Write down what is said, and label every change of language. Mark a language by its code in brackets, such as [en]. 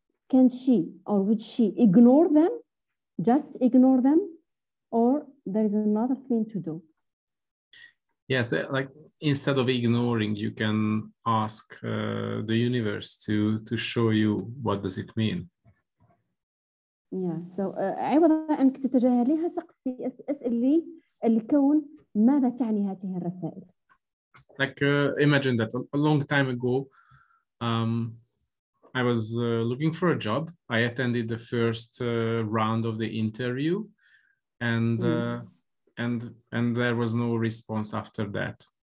[en] Can she, or would she ignore them? Just ignore them? Or there is another thing to do? Yes, like instead of ignoring, you can ask the universe to show you what does it mean. Yeah, so [ar] عوضة أنك تتجاهليها سقسي أسألي الكون ماذا تعني هذه الرسائل. [en] Like imagine that a long time ago, I was looking for a job. I attended the first round of the interview, and there was no response after that.